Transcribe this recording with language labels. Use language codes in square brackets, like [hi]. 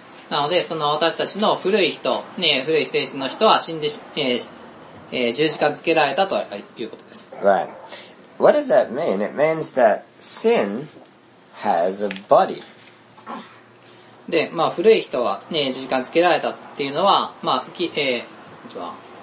[ja] なので、その私たちの古い人、ね、古い性質の人は死んで、十字架につけられたということです。 [en] Right. What does that mean? It means that sin has a body. [ja] で、まあ、古い人は、ね、十字架につけられたっていうのは、まあ、こんにちは。